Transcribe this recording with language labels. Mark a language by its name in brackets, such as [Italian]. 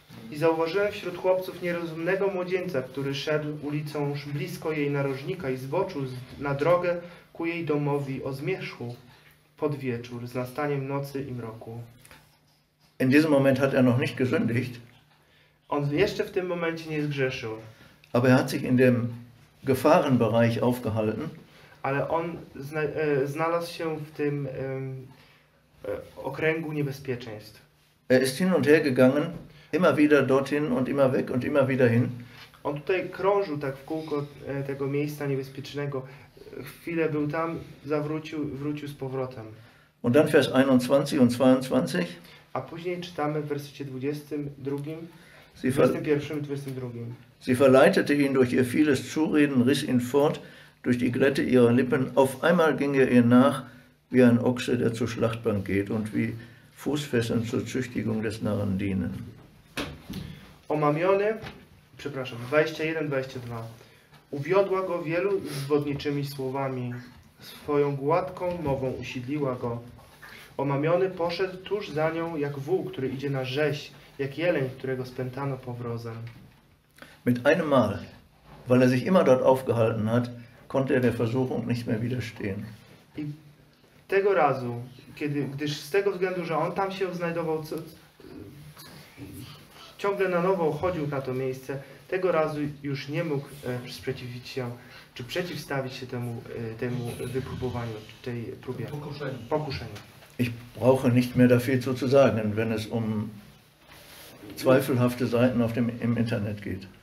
[Polish] I zauważyłem wśród chłopców nierozumnego młodzieńca, który szedł ulicą blisko jej narożnika i zboczył na drogę ku jej domowi o zmierzchu pod wieczór, z nastaniem nocy i mroku. [German] In diesem Moment hat er noch nicht gesündigt. [Polish] On jeszcze w tym momencie nie zgrzeszył. [German] Aber er hat sich in dem Gefahrenbereich aufgehalten. [Polish] Ale on znalazł się w tym okręgu niebezpieczeństw. [German] Er ist hin und her gegangen, immer wieder dorthin und immer weg und immer wieder hin. [Polish] On tutaj krążył tak w kółko tego miejsca niebezpiecznego. Chwilę był tam, zawrócił, wrócił z powrotem. [German] Und dann Vers 21 und 22. [Polish] A później czytamy w wersecie 22, 21 i 22. [German] Sie verleitete ihn durch ihr vieles Zureden, riss ihn fort durch die Glätte ihrer Lippen. Auf einmal ging er ihr nach wie ein Ochse, der zur Schlachtbank geht und wie Fußfesseln zur Züchtigung des Narren dienen. [Polish] Omamiony, przepraszam, 21-22. Uwiodła go wielu zwodniczymi słowami. Swoją gładką mową usidliła go. Omamiony poszedł tuż za nią jak wół, który idzie na rzeź, jak jeleń, którego spętano powrozem. [German] Mit einem Mal, weil er sich immer dort aufgehalten hat, konnte er der Versuchung nicht mehr widerstehen. [Polish] I tego razu, gdyż z tego względu, że on tam się znajdował, ciągle na nowo chodził na to miejsce, tego razu już nie mógł sprzeciwić się, czy przeciwstawić się temu wypróbowaniu, tej próbie. Pokuszeniu. [German] Ich brauche nicht mehr dafür zu sagen, wenn es um zweifelhafte Seiten auf dem im Internet geht.